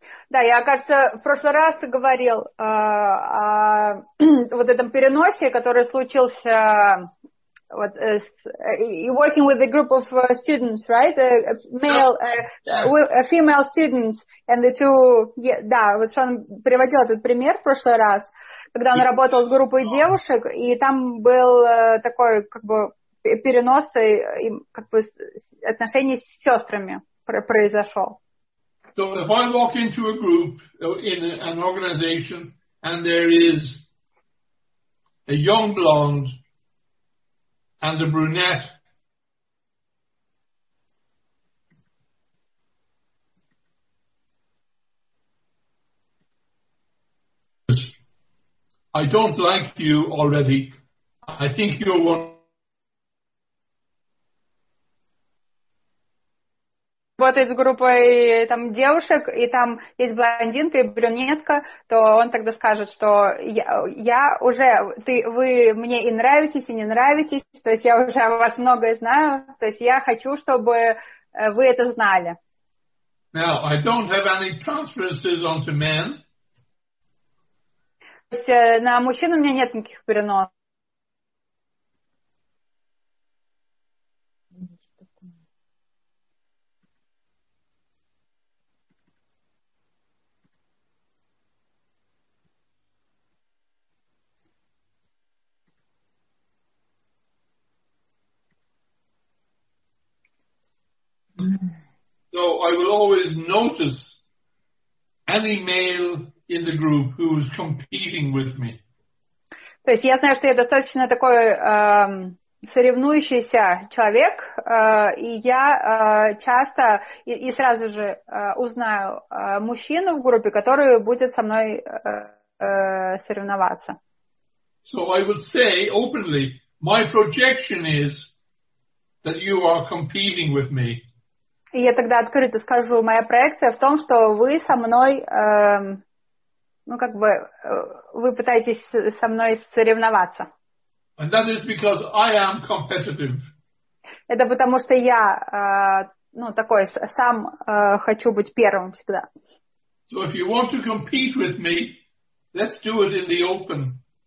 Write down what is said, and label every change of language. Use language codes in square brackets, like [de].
[ru] Да, я, кажется, в прошлый раз говорил о вот этом переносе, который случился вот [en] working with a group of students, right? A male, a female students and the two. [ru] Да, вот он приводил этот пример в прошлый раз, когда он работал с группой девушек, и там был такой как бы перенос и как бы отношения с сестрами произошел. [en] So if I walk into a group in an organization and there is a young blonde and a brunette, I don't like you already. I think you're one. [ru] Работает с группой там девушек, и там есть блондинка и брюнетка, то он тогда скажет, что я уже, вы мне и нравитесь, и не нравитесь, то есть я уже о вас многое знаю, то есть я хочу, чтобы вы это знали. [en] Now, I don't have any transferences onto men. [ru] То есть на мужчин у меня нет никаких переносов. [en] So I will always notice any male in the group who is competing with me. [ru] То есть я знаю, что я достаточно такой соревнующийся человек, и я часто и сразу же узнаю мужчину в группе, который будет со мной соревноваться. [en] So I would say openly, my projection is that you are competing with me. [ru] И я тогда открыто скажу, моя проекция в том, что вы со мной, ну, как бы, вы пытаетесь со мной соревноваться. [en] And that is because I am competitive. [ru] Это потому, что я, ну, такой, сам хочу быть первым всегда. [en] So if you want to compete with me, let's do it in the open.